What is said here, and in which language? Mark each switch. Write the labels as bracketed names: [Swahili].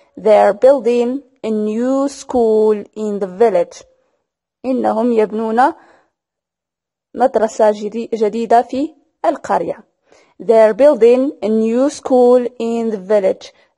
[English] They're building a new school in the village. [Arabic] إنهم يبنون مدرسة جديدة في القرية. [English] They're building a new school in the village.